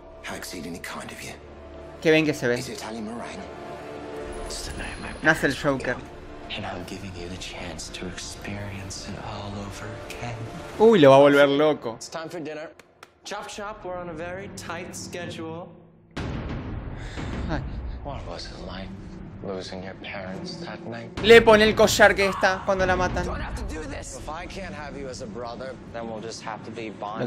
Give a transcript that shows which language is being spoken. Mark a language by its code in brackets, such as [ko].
[en] How exceedingly kind of you. [es] Qué bien que se ve. [en] Is it Ali Moraine? It's the name I bear. [es] Nace el Joker. [en] And I'm giving you the chance to experience it all over again. [es] Uy, lo va a volver loco. [en] It's time for dinner. Chop chop, we're on a very tight schedule. What was it like? Losing your parents that night. [es] Le pone el collar que está cuando la matan. [en] If I can't have you as a brother, then we'll just have to be bonded.